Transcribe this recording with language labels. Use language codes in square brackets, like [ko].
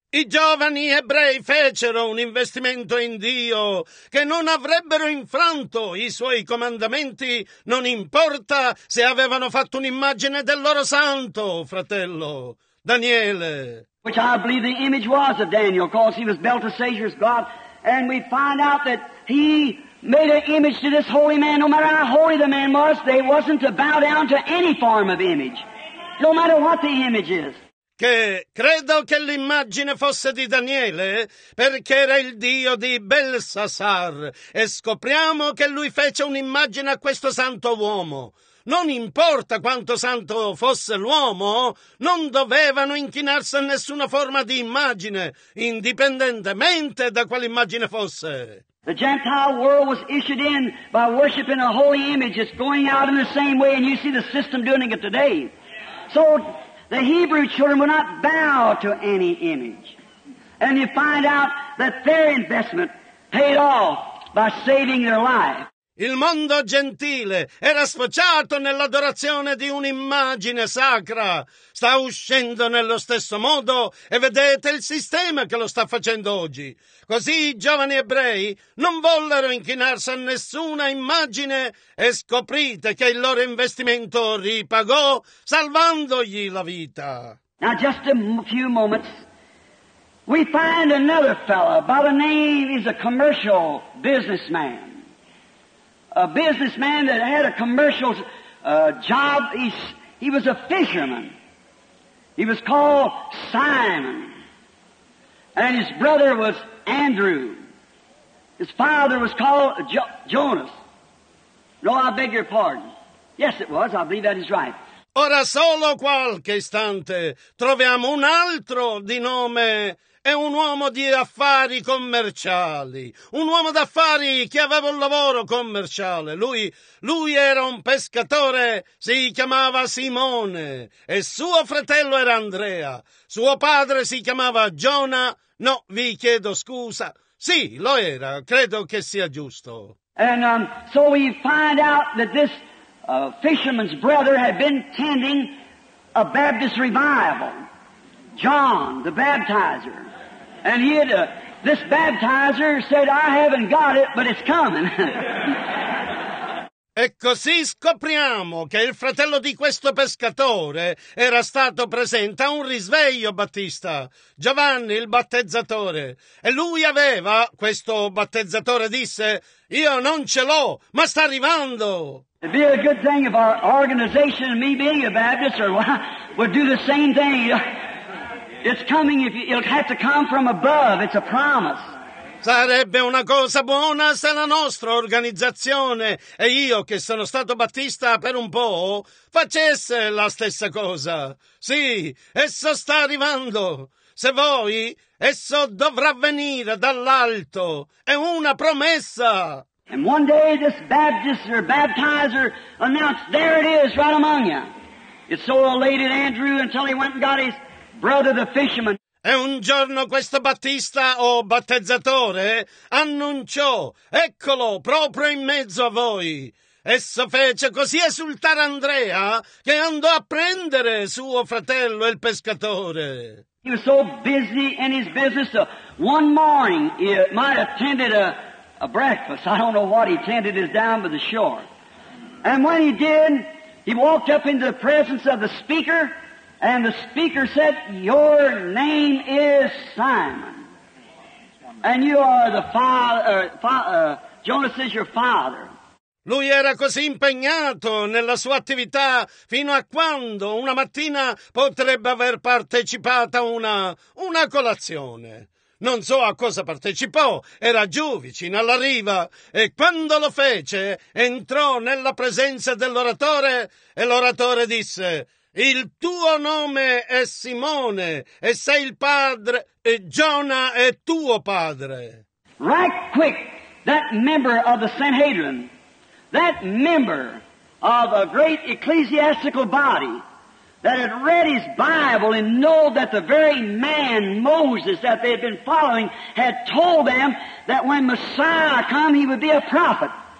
[it] I giovani ebrei fecero un investimento in Dio che non avrebbero infranto i suoi comandamenti, non importa se avevano fatto un'immagine del loro santo, fratello, Daniele. [en] Which I believe the image was of Daniel, because he was Belteshazzar's God. And we find out that he made an image to this holy man. No matter how holy the man was, they wasn't to bow down to any form of image, no matter what the image is. [it] Che credo che l'immagine fosse di Daniele, perché era il dio di Belsasar, e scopriamo che lui fece un'immagine a questo santo uomo. Non importa quanto santo fosse l'uomo, non dovevano inchinarsi a nessuna forma di immagine, indipendentemente da quale immagine fosse. [en] The Gentile world was issued in by worshiping a holy image. It's going out in the same way, and you see the system doing it today. So the Hebrew children will not bow to any image. And you find out that their investment paid off by saving their life. [it] Il mondo gentile era sfociato nell'adorazione di un'immagine sacra. Sta uscendo nello stesso modo e vedete il sistema che lo sta facendo oggi. Così i giovani ebrei non vollero inchinarsi a nessuna immagine e scoprite che il loro investimento ripagò salvandogli la vita. [en] Now just a few moments, we find another fellow by the name is a commercial businessman. A businessman that had a commercial job. He was a fisherman. He was called Simon. And his brother was Andrew. His father was called Jonas. No, I beg your pardon. Yes, it was. I believe that is right. [it] Ora solo qualche istante troviamo un altro di nome. È un uomo di affari commerciali, un uomo d'affari che aveva un lavoro commerciale. Lui era un pescatore, si chiamava Simone, e suo fratello era Andrea. Suo padre si chiamava Giona, no, vi chiedo scusa. Sì, lo era, credo che sia giusto. [en] And so we find out that this fisherman's brother had been tending a Baptist revival, John the baptizer. And he had this baptizer said, I haven't got it, but it's coming. [it] E così scopriamo che il fratello di questo pescatore era stato presente a un risveglio battista, Giovanni il battezzatore, e lui aveva, questo battezzatore disse, io non ce l'ho, ma sta arrivando. [en] It'd be a good thing if our organization and me being a Baptist would do the same thing. It's coming. If you, it'll have to come from above. It's a promise. [it] Sarebbe una cosa buona se la nostra organizzazione e io, che sono stato battista per un po', facesse la stessa cosa. Sì, esso sta arrivando. Se vuoi, esso dovrà venire dall'alto. È una promessa. [en] And one day this Baptist or baptizer announced, "There it is, right among you." It so elated Andrew until he went and got his brother the fisherman. [it] E un giorno questo battista o battezzatore annunciò, eccolo proprio in mezzo a voi. Esso fece così esultare Andrea che andò a prendere suo fratello il pescatore. [en] He was so busy in his business, one morning he might have tended a breakfast. I don't know what he tended is down by the shore. And when he did, he walked up into the presence of the speaker. And the speaker said, your name is Simon, and you are the father, Jonas is your father. [it] Lui era così impegnato nella sua attività fino a quando una mattina potrebbe aver partecipato a una colazione. non so a cosa partecipò, era giù vicino alla riva, e quando lo fece entrò nella presenza dell'oratore, e l'oratore disse: «Il tuo nome è Simone, e sei il padre, e Giona è tuo padre». [en] Right quick, that member of the Sanhedrin, that member of a great ecclesiastical body, that had read his Bible and know that the very man, Moses, that they had been following, had told them that when Messiah come, he would be a prophet.